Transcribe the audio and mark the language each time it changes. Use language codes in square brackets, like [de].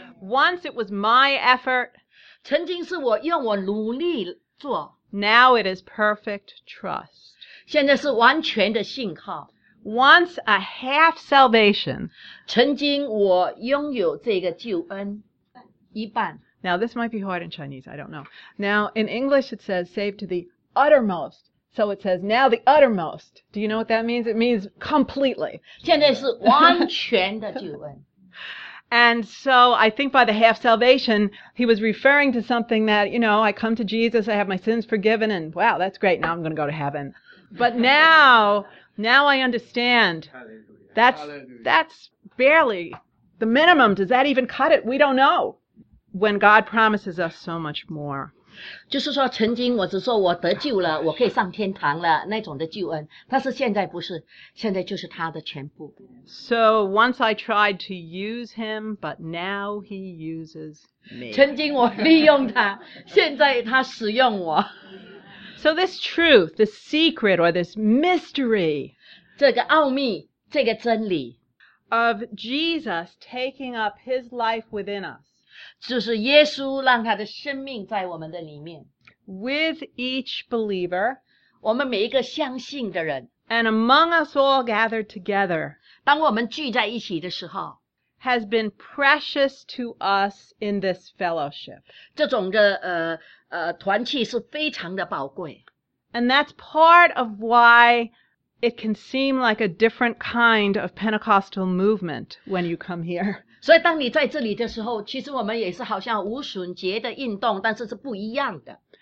[en] Once it was my effort. [zh] 曾经是我用我努力做。 [en] Now it is perfect trust. [zh] 现在是完全的信靠。 [en] Once a half salvation. [zh] 曾经我拥有这个救恩一半。 [en] Now this might be hard in Chinese, I don't know. Now in English it says saved to the uttermost. So it says now the uttermost. Do you know what that means? It means completely. [zh] 现在是完全的救恩。 [en] And so I think by the half salvation, he was referring to something that, you know, I come to Jesus, I have my sins forgiven, and wow, that's great, now I'm going to go to heaven. But now I understand. That's barely the minimum. Does that even cut it? We don't know when God promises us so much more. [zh] 就是说曾经我只说我得救了，我可以上天堂了，那种的救恩，但是现在不是，现在就是他的全部。 [en] So once I tried to use him, but now he uses me. [zh] 曾经我利用他，现在他使用我。 [en] So this truth, this secret, or this mystery, [zh] 这个奥秘，这个真理。 [en] Of Jesus taking up his life within us. [zh] 就是耶稣让他的生命在我们的里面。 [en] With each believer. [zh] 我们每一个相信的人。 [en] And among us all gathered together. [zh] 当我们聚在一起的时候。 [en] Has been precious to us in this fellowship. [zh] 这种的团契是非常的宝贵。 [en] And that's part of why... It can seem like a different kind of Pentecostal movement when you come here. [zh] 所以当你在这里的时候，其实我们也是好像无损节的运动，但是是不一样的。